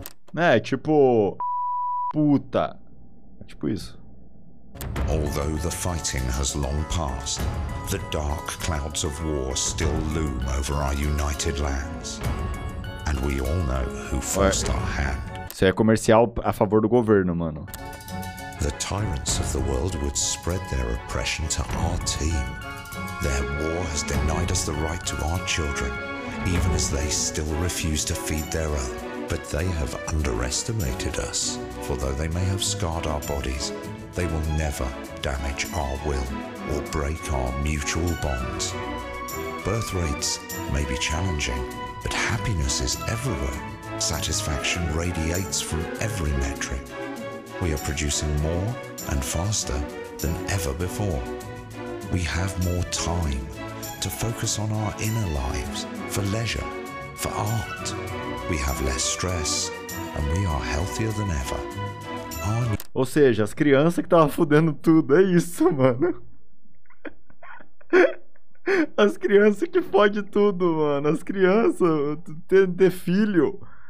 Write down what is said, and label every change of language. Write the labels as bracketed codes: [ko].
[pt] Né, tipo... Puta! Tipo isso. [en] Although the fighting has long passed, the dark clouds of war still loom over our united lands. And we all know who forced our hand. [pt] Isso aí é comercial a favor do governo, mano. [en] The tyrants of the world would spread their oppression to our team. Their war has denied us the right to our children. Even as they still refuse to feed their own. But they have underestimated us. For though they may have scarred our bodies, they will never damage our will or break our mutual bonds. Birth rates may be challenging, but happiness is everywhere. Satisfaction radiates from every metric. We are producing more and faster than ever before. We have more time to focus on our inner lives, for leisure, for art. We have less stress and we are healthier than ever. [pt] Ou seja, as crianças que estavam fudendo tudo, é isso, mano. As crianças que fodem tudo, mano. As crianças, ter filho.